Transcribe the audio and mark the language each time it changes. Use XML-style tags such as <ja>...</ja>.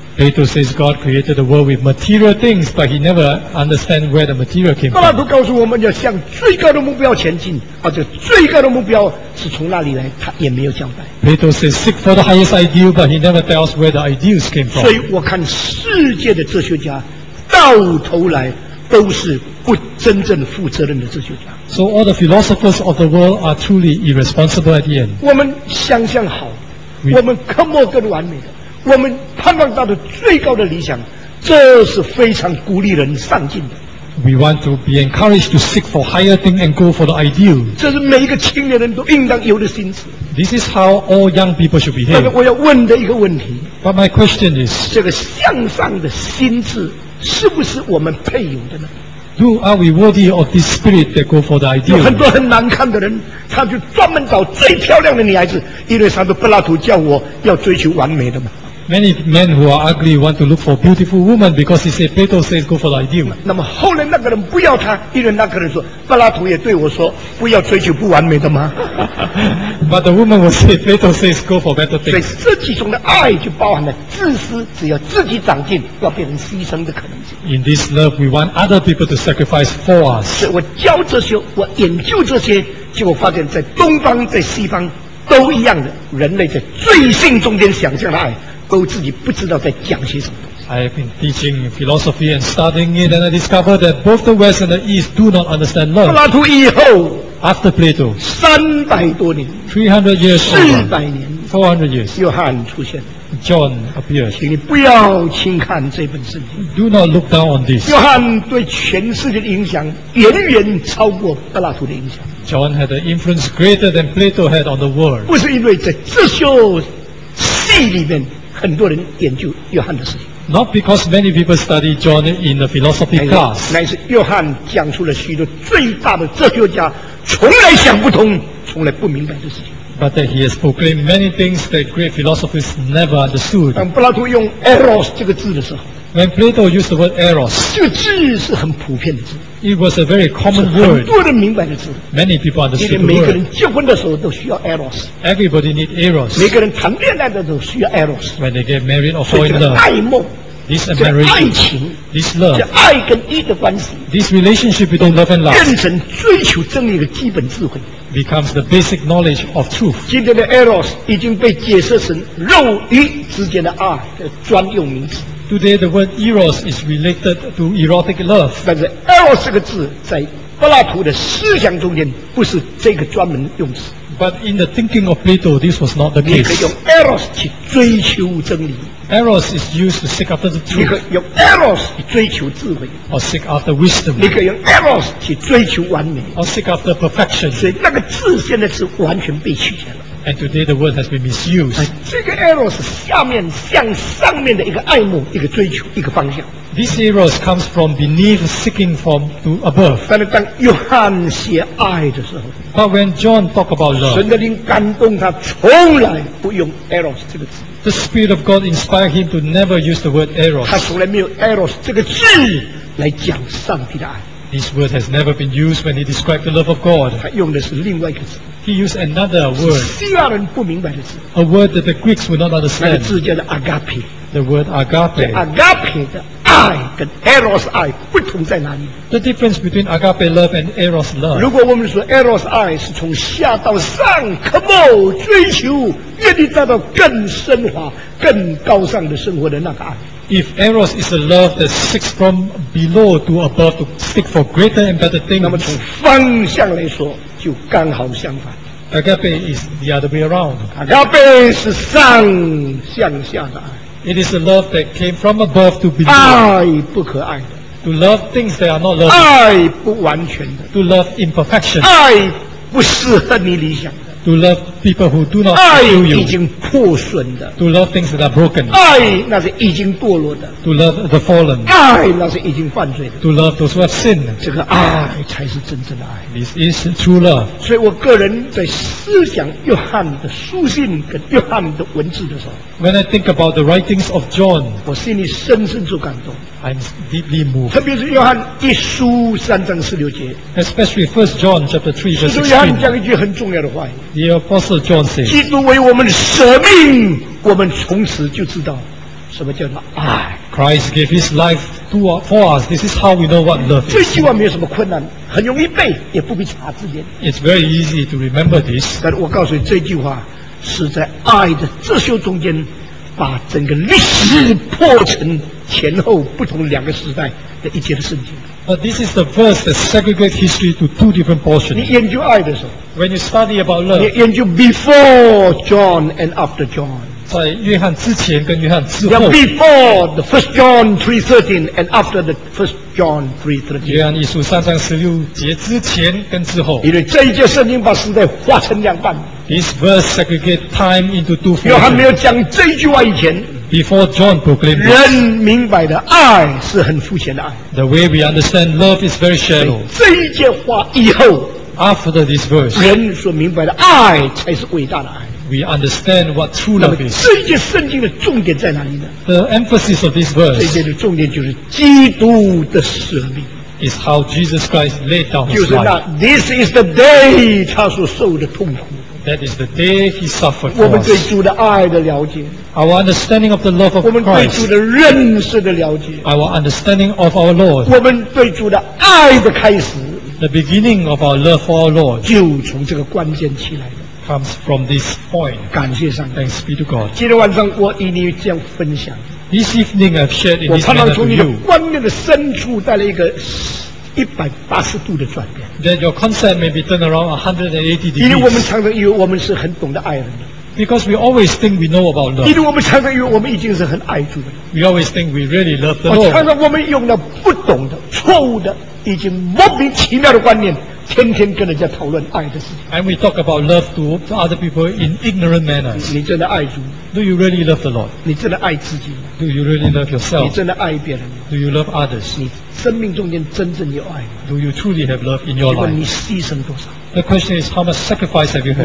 <en>Plato says God created the world with material things, but he never understand where the material came from.</en> <zh>柏拉图告诉我们要向最高的目标前进，而且最高的目标是从哪里来，他也没有交代。</zh> <en>Plato says seek for the highest ideal, but he never tells where the ideals came from.</en> <zh>所以我看世界的哲学家，到头来都是不真正负责任的哲学家。</zh> <en>So all the philosophers of the world are truly irresponsible at the end.</en> <zh>我们想象好，我们渴慕更完美的。我们盼望到的最高的理想，这是非常鼓励人上进的。</zh> <en>We want to be encouraged to seek for higher things and go for the ideal.</en> <zh>这是每一个青年人都应当有的心思。</zh> <en>This is how all young people should behave.</en> <zh>但是我要问的一个问题。</zh> <en>But my question is,</en> <zh>这个向上的心智是不是我们配有的呢？</zh> <en>Are we worthy of this spirit that go for the ideal?</en> <zh>有很多很难看的人，他就专门找最漂亮的女孩子，因为上帝柏拉图叫我要追求完美的嘛。</zh> <en>Many men who are ugly want to look for beautiful woman because he said Plato says go for the ideal.</en> <zh>那么后来那个人不要他，因为那个人说柏拉图也对我说不要追求不完美的吗？</zh> <en>But the woman will say Plato says go for better things.</en> <zh>所以这其中的爱就包含了自私，只要自己长进，要变成牺牲的可能性。</zh> <en>In this love, we want other people to sacrifice for us.</en> <zh>所以我教这些，我研究这些，结果发现，在东方，在西方都一样的，人类在罪性中间想象的爱。都自己不知道在讲些什么。</zh> <en>I have been teaching philosophy and studying it, and I discovered that both the West and the East do not understand love.</en> <zh>柏拉图以后</zh> <en>，After Plato，</en> <zh>300多年</zh> <en>，300 years，</en> <zh>400年</zh> <en>，400 years，</en> <zh>约翰出现</zh> <en>，John appears。</en> <zh>请你不要轻看这本圣经。</zh> <en>Do not look down on this。</en> <zh>约翰对全世界的影响远远超过柏拉图的影响。</zh> <en>John had an influence greater than Plato had on the world。</en> <zh>不是因为在这些戏里面。很多人研究约翰的事情。</zh> <en>Not because many people study John in the philosophy class.</en> <zh>乃是约翰讲出了许多最大的哲学家从来想不通、从来不明白的事情。</zh> <en>But that he has proclaimed many things that great philosophers never understood.</en> <zh>当柏拉图用 eros 这个字的时候</zh> <en>，When Plato used the word eros，</en> <zh>这个字是很普遍的字。</zh> <en>It was a very common word.</en> <zh>很多人明白的字。</zh> <en>Many people understood.</en> <zh>因为每个人结婚的时候都需要 eros。</zh> <en>Everybody need eros.</en> <zh>每个人谈恋爱的时候需要 eros。</zh> <en>When they get married or fall in love.</en> <zh>这个爱梦。</zh> <en>This marriage.</en> <zh>这爱情。</zh> <en>This love.</en> <zh>这爱跟义的关系。</zh> <en>This relationship between love and love.</en> <zh>变成追求真理的基本智慧。</zh> <en>Becomes the basic knowledge of truth.</en> <zh>今天的 eros 已经被解释成肉欲之间的爱的专用名词。</zh> <en>Today the word eros is related to erotic love.</en> <zh>但是 eros 这个字在柏拉图的思想中间不是这个专门用词。</zh> <en>But in the thinking of Plato, this was not the case.</en> <zh>你可以用 eros 去追求真理。</zh> <en>Eros is used to seek after the truth.</en> <zh>你可以用 eros 去追求智慧。</zh> <en>Or seek after wisdom.</en> <zh>你可以用 eros 去追求完美。</zh> <en>Or seek after perfection.</en> <zh>所以那个字现在是完全被取消了。</zh> <en>And today the word has been misused.</en> <zh>这个 eros 是下面向上面的一个爱慕、一个追求、一个方向。</zh> <en>This eros comes from beneath, seeking from to above.</en> <zh>但是当约翰写爱的时候</zh> <en>，But when John talk about love,</en> <zh>神的灵感动他，从来不用 eros 这个字。</zh> <en>The spirit of God inspired him to never use the word eros.</en> <zh>他从来没有 eros 这个字来讲上帝的爱。</zh> <en>This word has never been used when he described the love of God.</en> <zh>他用的是另外一个字。</zh> <en>He used another word.</en> <zh>是希腊人不明白的字。</zh> <en>A word that the Greeks would not understand.</en> <zh>那个字叫做 agape.</zh> <en>The word agape.</en> <zh>Agape 的 a 爱跟 Eros 爱不同在哪里？</zh> <en>The difference between agape love and Eros love。</en> <zh>如果我们说 Eros 爱是从下到上 ，</zh> <en>come on</en> <zh>追求，愿意达到更升华、更高尚的生活的那个爱。</zh> <en>If Eros is a love that seeks from below to above to seek for greater and better things，</en> <zh>那么从方向来说就刚好相反。</zh> <en>Agape is the other way around。</en> <zh>Agape 是上向下的爱。</zh> <en>It is a love that came from above to below。</en> <zh>爱不可爱的。</zh> <en>To love things that are not loved。</en> <zh>爱不完全的。</zh> <en>To love imperfection。</en> <zh>爱不适合你理想的。</zh> <en>To love people who do not love you。</en> <zh>爱已经破损的。</zh> <en>To love things that are broken。</en> <zh>爱那是已经堕落的。</zh> <en>To love the fallen。</en> <zh>爱那是已经犯罪的。</zh> <en>To love those who have sinned。</en> <zh>这个爱才是真正的爱。</zh> <en>This is true love。</en> <zh>所以我个人在思想约翰的书信跟约翰的文字的时候。</zh> <en>When I think about the writings of John，</en> <zh>我心里深深受感动。</zh> <en>I'm deeply moved。</en> <zh>特别是约翰一书三章十六节。</zh> <en>Especially First John chapter 3 verse 16。</en> <zh>使徒约翰讲一句很重要的话。</zh> <en>The Apostle John says，</en> <zh>基督为我们舍命，我们从此就知道什么叫做爱。</zh> <en>Christ gave his life for us. This is how we know what love is.</en> <zh>这句话没有什么困难，很容易背，也不必查字典。</zh> <en>It's very easy to remember this。</en> <zh>但我告诉你，这句话是在爱的遮羞中间，把整个历史破成前后不同两个时代的一节的圣经。</zh> <en>But this is the verse that segregates history to two different portions.</en> <zh>你研究爱的时候，</zh> <en>when you study about love，</en> <zh>你研究</zh> <en>before John and after John，</en> <zh>在约翰之前跟约翰之后。</zh> <en>Yeah, before the first John 3:13 and after the first John 3:13。</en> <zh>约翰一书三章十六节之前跟之后。因为这一节圣经把时代划成两半。</zh> <en>This verse segregates time into two portions.</en> <zh>约翰没有讲这一句话以前。</zh> <en>Before John proclaimed,</en> <zh>人明白的爱是很肤浅的爱。</zh> <en>The way we understand love is very shallow.</en> <zh>这一句话以后，</zh> <en>after this verse,</en> <zh>人所明白的爱才是伟大的爱。</zh> <en>We understand what true love is.</en> <zh>这一节圣经的重点在哪里呢？</zh> <en>The emphasis of this verse.</en> <zh>这一节的重点就是基督的舍命。</zh> <en>Is how Jesus Christ laid down his life.</en> <zh>就是那</zh> <en>this is the day</en> <zh>他所受的痛苦。</zh> <en>That is the day he suffered for us.</en> <zh>我们对主的爱的了解。</zh> <en>Our understanding of the love of Christ.</en> <zh>我们对主的认识的了解。</zh> <en>Our understanding of our Lord.</en> <zh>我们对主的爱的开始。</zh> <en>The beginning of our love for our Lord.</en> <zh>就从这个关键起来的。</zh> <en>Comes from this point.</en> <zh>感谢上帝。</zh> <en>Thanks be to God.</en> <zh>今天晚上我与你这样分享。</zh> <en>This evening I've shared in this manner to you.</en> <zh>我盼望从你的观念的深处带来一个180度的转变。</zh> <en>That your concept may be turned around 180 degrees.</en> <zh>因为我们常常以为我们是很懂得爱人的。</zh> <en>Because we always think we know about love.</en> <zh>因为我们常常以为我们已经是很爱主的。</zh> <en>We always think we really love the Lord.</en> <zh>常常我们用了不懂的、错误的、已经莫名其妙的观念，天天跟人家讨论爱的事情。</zh> <en>And we talk about love to other people in ignorant manners.</en> <zh>你真的爱主？</zh> <en>Do you really love the Lord?</en> <zh>你真的爱自己？</zh> <en>Do you really love yourself?</en> <zh>你真的爱别人？</zh> <en>Do you love others?</en> <zh>你生命中间真正有爱？</zh> <en>Do you truly have love in your life?</en> <zh>你牺牲多少？</zh> <en>The question is how much sacrifice have you had?</en>